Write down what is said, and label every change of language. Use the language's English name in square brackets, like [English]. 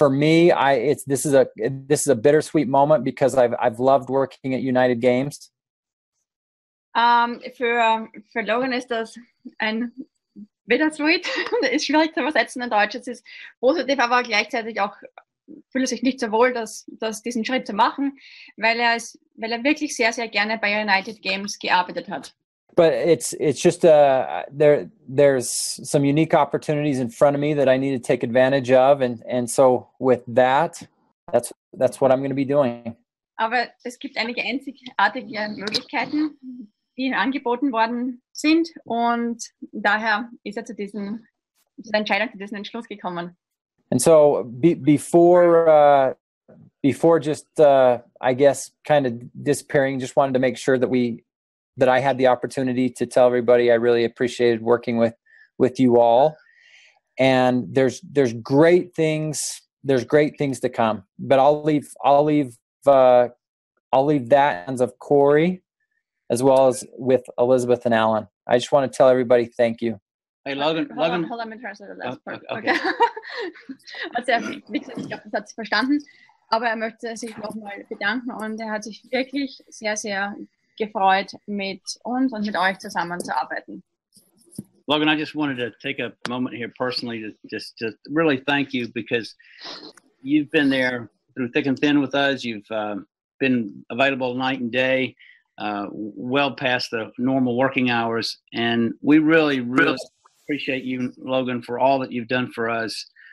[English] This is a bittersweet moment because I've loved working at United Games. [German] Für Logan ist das ein bittersweet. Das ist schwierig zu übersetzen in Deutsch. Es ist positiv, aber gleichzeitig auch fühlt sich nicht so wohl, dass diesen Schritt zu machen, weil er wirklich sehr, sehr gerne bei United Games gearbeitet hat. [English] But it's just there's some unique opportunities in front of me that I need to take advantage of, and so with that, that's what I'm going to be doing. [German] Aber es gibt einige einzigartige Möglichkeiten, die Ihnen angeboten worden sind. Und daher ist er zu diesem, dieser Entscheidung, zu diesem Entschluss gekommen. [English] And so before kind of disappearing, just wanted to make sure that we, that I had the opportunity to tell everybody I really appreciated working with you all. And there's great things to come. But I'll leave that hands of Corey as well as with Elizabeth and Alan. I just want to tell everybody thank you. Hey Logan, hold on, I'm interested in the last part. Okay. Okay. [German] Also, wie gesagt, ich glaube, das hat sie verstanden. Aber er möchte sich nochmal bedanken und er hat sich wirklich sehr, sehr gefreut, mit uns und mit euch zusammenzuarbeiten. [English] Logan, I just wanted to take a moment here personally to just really thank you, because you've been there through thick and thin with us. You've been available night and day, well past the normal working hours. And we really, really appreciate you, Logan, for all that you've done for us.